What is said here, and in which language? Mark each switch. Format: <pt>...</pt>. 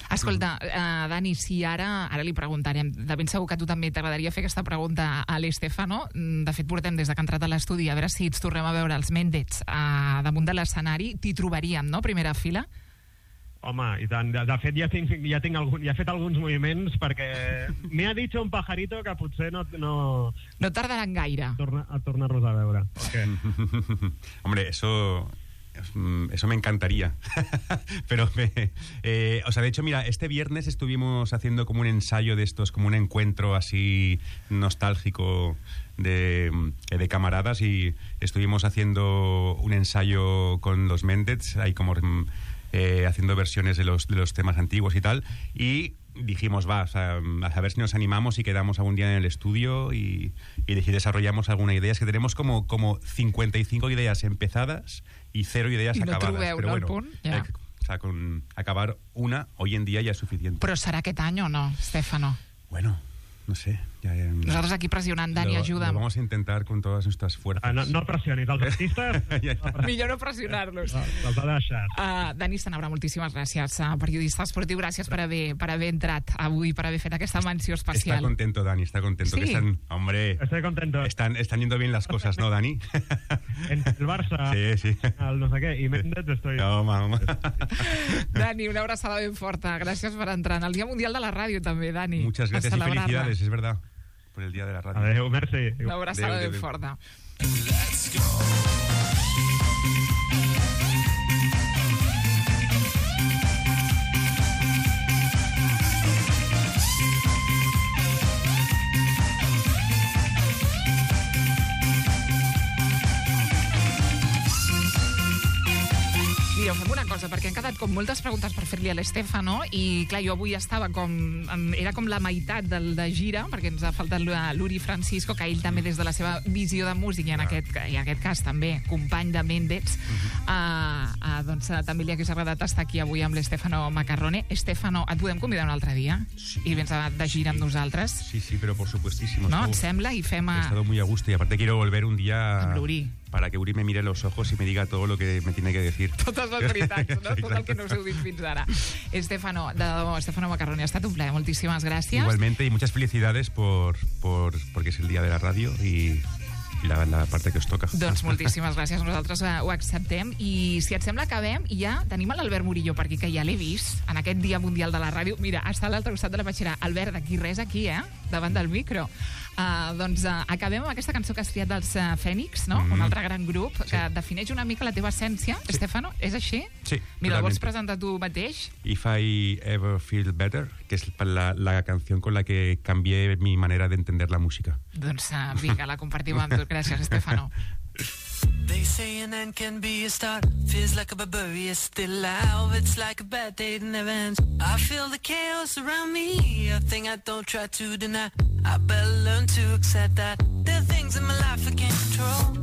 <ca>Escolta, Dani, si ara li preguntarem, de ben segur que a tu també t'agradaria fer aquesta pregunta a l'Estefano, de fet portem des que ha entrat a l'estudi, a veure si ens tornem a veure els Méndez damunt de l'escenari, t'hi trobaríem, no?, primera fila. Home, i tant. De fet, ja he fet alguns moviments perquè m'hi ha dit un pajarito que potser no tardaran gaire. A tornar-los a veure. Okay.</ca> <es>Hombre, eso me encantaría. Pero, de hecho, mira, este viernes estuvimos haciendo como un ensayo de estos, como un encuentro así nostálgico de camaradas, y estuvimos haciendo un ensayo con los Méndez, ahí como... haciendo versiones de los temas antiguos y tal, y dijimos, va, a ver si nos animamos y quedamos algún día en el estudio y desarrollamos alguna idea. Es que tenemos como 55 ideas empezadas y cero ideas y acabadas.</es> <ca>No trobeu,</ca> <es>pero bueno,</es> <ca>el punt, ja.</ca> <es>Con acabar una hoy en día ya es suficiente. ¿Pero será</es> <ca>aquest any</ca> <es>o no, Estefano? Bueno, no sé.</es> <ca>Nosaltres aquí pressionant, Dani, ajuda'm.</ca> <es>Lo vamos a intentar con todas nuestras fuerzas.</es> <ca>No pressionis els artistes. Millor no pressionar-los. Dani Sanabra, moltíssimes gràcies. Periodista esportiu, gràcies per haver entrat avui, per haver fet aquesta menció especial.</ca> <es>Está contento, Dani, está contento. Sí. Que están, hombre, estoy contento. Están yendo bien las cosas, ¿no, Dani? En el Barça. Sí, sí.</es> <ca>Al no sé què. I Méndez</ca> <es>estoy...</es> <ca>Home. Dani, una abraçada ben forta. Gràcies per entrar. En el Dia Mundial de la Ràdio també, Dani.</ca> <es>Muchas gracias y felicidades, es verdad. Por el Día de la Radio.</es> <ca>Adéu, merci. Una abraçada ben forta. Mira, fem una cosa... perquè han quedat com moltes preguntes per fer-li a l'Estefano, i clar, jo avui estava com... Era com la meitat de gira, perquè ens ha faltat l'Uri Francisco, que ell també des de la seva visió de músic, i en aquest cas també company de Mendes, doncs també li hauria agradat estar aquí avui amb l'Estefano Macarrone. Estefano, et podem convidar un altre dia? Sí. I vens de gira amb nosaltres? Sí, sí, però</ca> <es>por supuestísimo.</es> <ca>No, et sembla? I fem...</ca> <es>He estado muy a gusto, y aparte quiero volver un día...</es> <ca>Amb l'Uri.</ca> <es>Para que Uri me mire los ojos y me diga todo lo que me tiene que decir.</es> <ca>Totes les veritats, no? Tot el que no us heu dit fins ara. Estefano, Estefano Macarrone, ha estat un plaer. Moltíssimes gràcies.</ca> <es>Igualmente, y muchas felicidades porque es el día de la radio y la parte que os toca.</es> <ca>Doncs moltíssimes gràcies. Nosaltres ho acceptem. I si et sembla, acabem. I ja tenim l'Albert Murillo per aquí, que ja l'he vist en aquest Dia Mundial de la Ràdio. Mira, està a l'altre costat de la peixera. Albert, d'aquí res, aquí, davant del micro. Acabem amb aquesta cançó que has triat dels Fènix, no? Un altre gran grup, sí, que defineix una mica la teva essència. Sí. Estefano, és així? Sí. Mira, realment. Vols presentar tu mateix?</ca> <es>If I Ever Feel Better,</es> <ca>que és la canció</ca> <es>con la que canvié mi manera de entender la música.</es> <ca>Doncs vinga, la compartim amb tu. Gràcies, Estefano.</ca> <en>They say an end can be a start. Feels like a barbarie is still alive. It's like a bad day that never ends. I feel the chaos around me, a thing I don't try to deny. I better learn to accept that there are things in my life I can't control.</en>